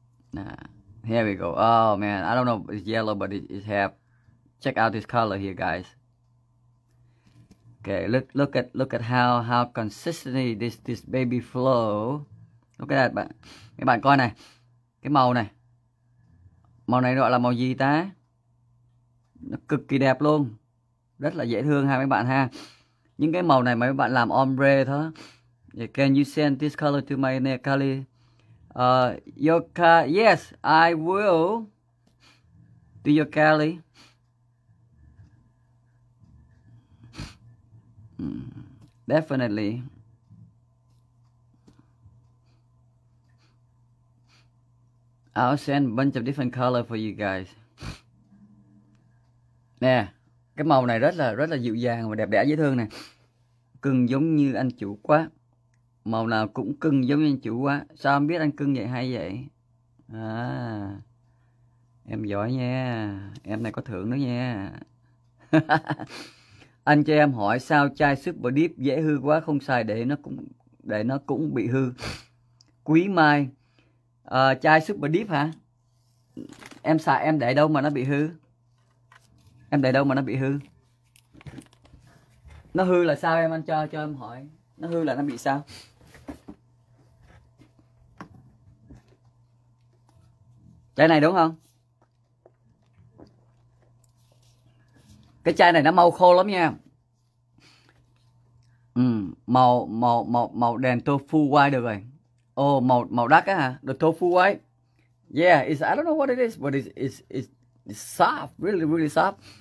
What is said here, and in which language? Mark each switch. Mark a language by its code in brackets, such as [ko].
[en] Nah, here we go. Oh man, I don't know if it's yellow, but it have. Check out this color here, guys. Okay, look at how consistently this baby flow. Look at that, bạn. [vi] Các bạn coi này, cái màu này. Màu này gọi là màu gì ta? Nó cực kỳ đẹp luôn, rất là dễ thương ha mấy bạn ha. Những cái màu này mấy bạn làm ombre thôi. [en] Can you send this color to my nail Kali? Your car, yes, I will. To your Kali. Definitely. I'll send a bunch of different color for you guys. [vi] Nè, cái màu này rất là dịu dàng và đẹp đẽ dễ thương nè. Cưng giống như anh chủ quá. Màu nào cũng cưng giống như anh chủ quá. Sao em biết anh cưng vậy hay vậy? À, em giỏi nha. Em này có thưởng nữa nha. Anh cho em hỏi sao chai Super Deep dễ hư quá, không xài để nó cũng bị hư. Quý Mai. À, chai Super Deep hả? Em xài em để đâu mà nó bị hư? Em để đâu mà nó bị hư? Nó hư là sao em? Anh cho em hỏi. Nó hư là nó bị sao? Chai này đúng không? Cái chai này nó màu khô lắm nha. Màu màu màu màu đèn tofu white được rồi. Ồ, màu màu đắt á hả? The tofu white. [en] Yeah, it's, I don't know what it is, but it's soft, really really soft.